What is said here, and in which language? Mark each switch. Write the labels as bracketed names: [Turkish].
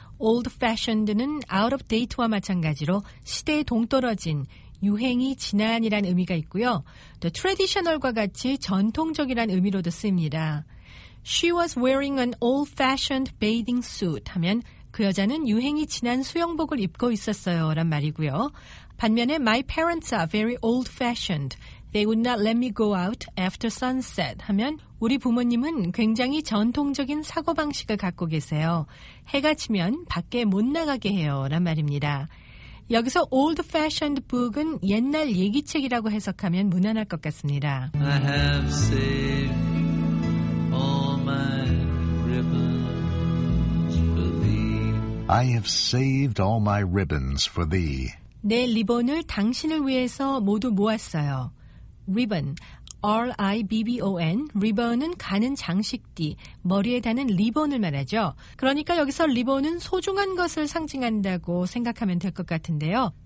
[Korean] Old-fashioned는 out of date와 마찬가지로 시대에 동떨어진, 유행이 지난이란 의미가 있고요. The traditional과 같이 전통적이란 의미로도 쓰입니다. [English] She was wearing an old-fashioned bathing suit [Korean] 하면 그 여자는 유행이 지난 수영복을 입고 있었어요 란 말이고요. [English] 반면에 My parents are very old-fashioned. They would not let me go out after sunset [Korean] 하면 우리 부모님은 굉장히 전통적인 사고방식을 갖고 계세요. 해가 지면 밖에 못 나가게 해요 란 말입니다. 여기서 old fashioned book은 옛날 얘기책이라고 해석하면 무난할 것 같습니다. [English] I have saved all my ribbons for thee. I have saved all my ribbons for thee. [Korean] 내 리본을 당신을 위해서 모두 모았어요. [English] Ribbon, R-I-B-B-O-N. [Korean] Ribbon은 가는 장식띠, 머리에 다는 리본을 말하죠. 그러니까 여기서 리본은 소중한 것을 상징한다고 생각하면 될 것 같은데요.